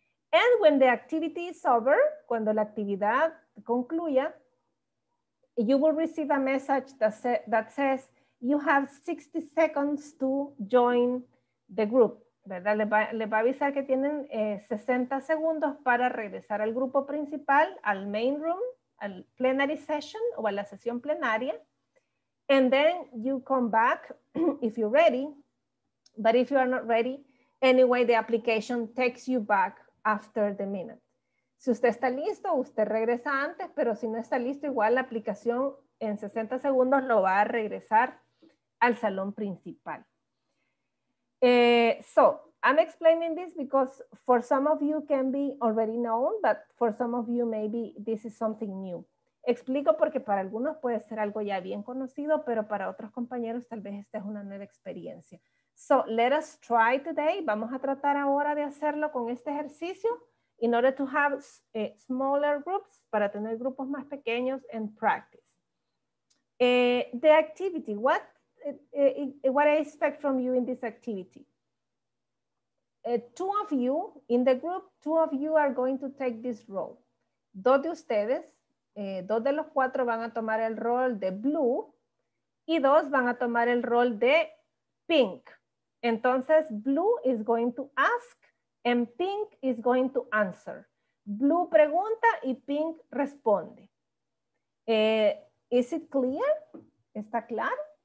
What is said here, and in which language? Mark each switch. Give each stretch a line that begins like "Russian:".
English: And when the activity is over,
Spanish: cuando la actividad concluya,
English: you will receive a message that says you have 60 seconds to join the group.
Spanish: ¿verdad? Les va a avisar que tienen 60 segundos para regresar al grupo principal, al
English: main room,
Spanish: al
English: plenary session
Spanish: o a la sesión plenaria.
English: And then you come back if you're ready. But if you are not ready, anyway, the application takes you back after the minute.
Spanish: Si usted está listo, usted regresa antes, pero si no está listo, igual la aplicación en 60 segundos lo va a regresar al salón principal.
English: So, I'm explaining this because for some of you can be already known, but for some of you maybe this is something new.
Spanish: Explico porque para algunos puede ser algo ya bien conocido, pero para otros compañeros tal vez esta es una nueva experiencia.
English: So, let us try today.
Spanish: Vamos a tratar ahora de hacerlo con este ejercicio
English: in order to have smaller groups,
Spanish: para tener grupos más pequeños
English: and practice. The activity, what I expect from you in this activity? Two of you in the group, two of you are going to take this role.
Spanish: Dos de ustedes, dos de los cuatro van a tomar el rol de blue y dos van a tomar el rol de pink. Entonces,
English: blue is going to ask and pink is going to answer.
Spanish: Blue pregunta y pink responde.
English: Is it clear?
Spanish: ¿Está claro?